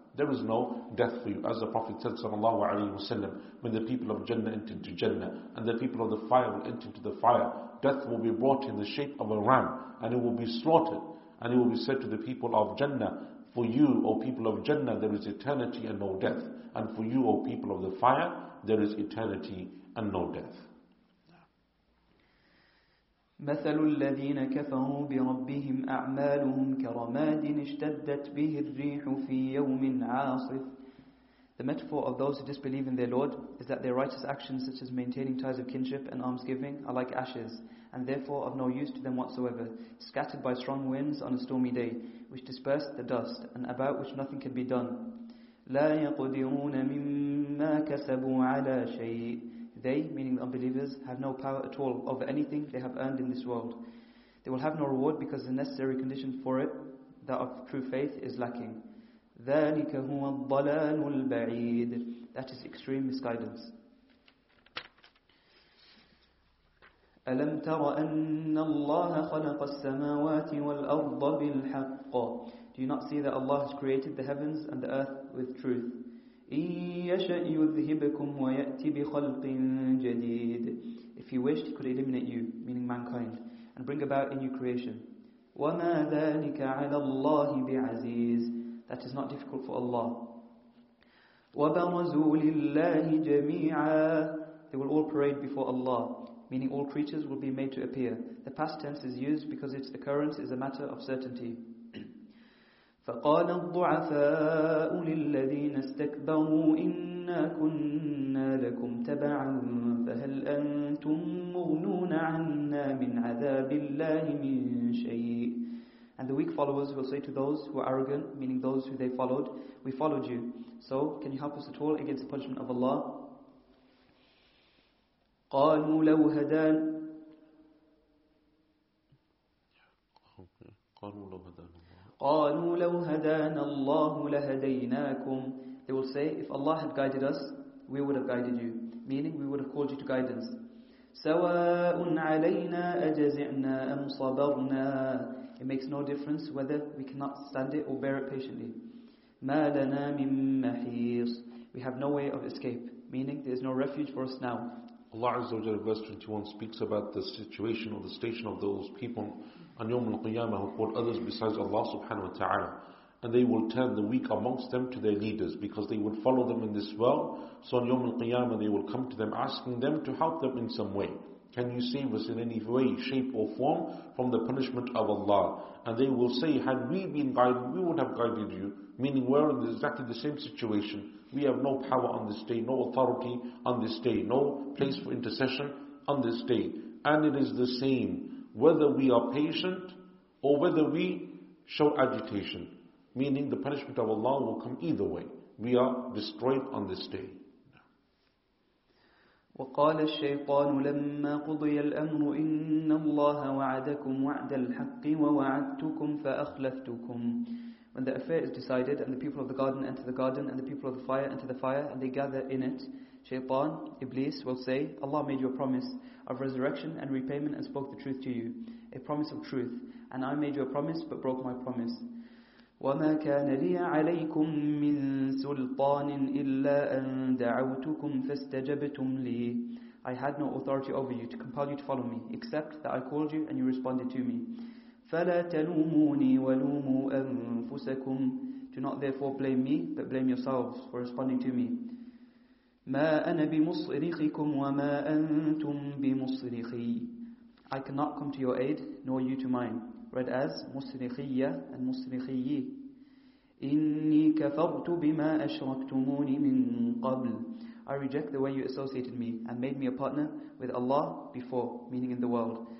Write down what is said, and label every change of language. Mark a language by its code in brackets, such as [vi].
[en] There is no death for you. As the Prophet said, sallallahu alayhi wa sallam, when the people of Jannah enter into Jannah, and the people of the fire will enter into the fire, death will be brought in the shape of a ram, and it will be slaughtered. And it will be said to the people of Jannah, for you, O people of Jannah, there is eternity and no death. And for you, O people of the fire, there is eternity and no death. [ar] مثل الذين كفروا بربهم أعمالهم كرماد اشتدت به الريح في يوم عاصف. [en] The metaphor of those who disbelieve in their Lord is that their righteous actions, such as maintaining ties of kinship and almsgiving, are like ashes, and therefore of no use to them whatsoever, scattered by strong winds on a stormy day, which disperse the dust, and about which nothing can be done. [ar] لا يقدرون مما كسبوا على شيء. [en] They, meaning the unbelievers, have no power at all over anything they have earned in this world. They will have no reward because the necessary condition for it, that of true faith, is lacking. [ar] ذلك هو الضلال البعيد. [en] That is extreme misguidance. [ar] ألم تر أن الله خلق السماوات والأرض بالحق؟ [en] Do you not see that Allah has created the heavens and the earth with truth? [ar] إن يشأ يذهبكم ويأتي بخلق جديد. [en] If He wished, He could eliminate you, meaning mankind, and bring about a new creation. [ar] وما ذلك على الله بعزيز. [en] That is not difficult for Allah. [ar] وبرزوا لله جميعا. [en] They will all parade before Allah, meaning all creatures will be made to appear. The past tense is used because its occurrence is a matter of certainty. [ar] فَقَالَ الضُّعَفَاءُ لِلَّذِينَ اسْتَكْبَرُوا إِنَّا كُنَّا لَكُمْ تَبَعًا فَهَلْ أَنْتُمْ مُغْنُونَ عَنَّا مِنْ عَذَابِ اللَّهِ مِنْ شَيْءٍ. [en] And the weak followers will say to those who are arrogant, meaning those who they followed, "We followed you. So, can you help us at all against the punishment of Allah?" [ar] قالوا لو هدان قالوا لو هدان قالوا لو هدان الله لهديناكم. [en] They will say, if Allah had guided us, we would have guided you, meaning we would have called you to guidance. [ar] سواء علينا أجزعنا أم صبرنا. [en] It makes no difference whether we cannot stand it or bear it patiently. [ar] ما لنا من محيص. [en] We have no way of escape, meaning there is no refuge for us now. Allah Azza wa Jalla, verse 21, speaks about the situation or the station of those people on Yawm al-Qiyamah who call others besides Allah subhanahu wa ta'ala. And they will turn the weak amongst them to their leaders because they would follow them in this world. So on Yawm al-Qiyamah they will come to them asking them to help them in some way. Can you save us in any way, shape or form from the punishment of Allah? And they will say, had we been guided, we would have guided you. Meaning we're in exactly the same situation. We have no power on this day, no authority on this day, no place for intercession on this day. And it is the same whether we are patient or whether we show agitation. Meaning the punishment of Allah will come either way. We are destroyed on this day. [ar] وقال الشيطان لما قضي الأمر إن الله وعدكم وعد الحق ووعدتكم فأخلفتكم. [en] When the affair is decided and the people of the garden enter the garden and the people of the fire enter the fire and they gather in it, Shaytan, Iblis, will say, Allah made you a promise of resurrection and repayment and spoke the truth to you, a promise of truth, and I made you a promise but broke my promise. [ar] وَمَا كَانَ لِيَ عَلَيْكُمْ مِنْ سُلْطَانٍ إِلَّا أَنْ دَعَوْتُكُمْ فَاسْتَجَبْتُمْ لِي. [en] I had no authority over you to compel you to follow me, except that I called you and you responded to me. [ar] فَلَا تَلُومُونِي وَلُومُوا أَنفُسَكُمْ. [en] Do not therefore blame me, but blame yourselves for responding to me. [ar] مَا أَنَا بِمُصْرِخِكُمْ وَمَا أَنْتُمْ بِمُصْرِخِي. [en] I cannot come to your aid, nor you to mine. Read as مصرخية and مصرخي. [ar] إني كفرت بما أشركتموني من قبل. [en] I reject the way you associated me and made me a partner with Allah before, meaning in the world.